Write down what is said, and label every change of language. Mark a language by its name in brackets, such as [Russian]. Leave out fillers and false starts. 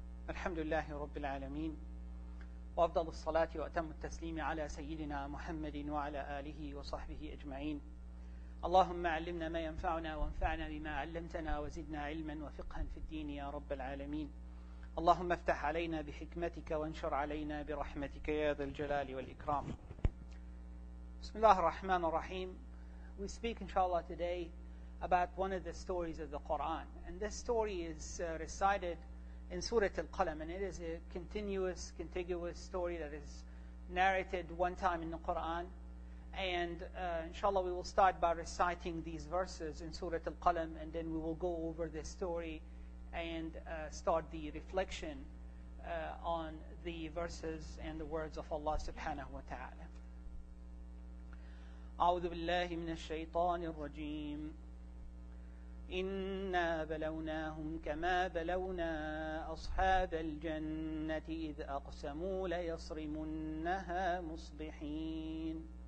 [Arabic] الحمد لله رب العالمين وأفضل الصلاة وأتم التسليم على سيدنا محمد وعلى آله وصحبه أجمعين اللهم علمنا ما ينفعنا وانفعنا بما علمتنا وزدنا علما وفقها في الدين يا رب العالمين اللهم افتح علينا بحكمتك وانشر علينا برحمتك يا ذا الجلال والإكرام بسم الله الرحمن الرحيم. [English] We speak inshallah today about one of the stories of the Quran, and this story is recited in Surah Al-Qalam, and it is a continuous, contiguous story that is narrated one time in the Qur'an. And inshallah, we will start by reciting these verses in Surah Al-Qalam, and then we will go over this story and start the reflection on the verses and the words of Allah subhanahu wa ta'ala. [Arabic] أعوذ بالله من الشيطان الرجيم إنا بلوناهم كما بلونا أصحاب الجنة إذ أقسموا ليصرمنها مصبحين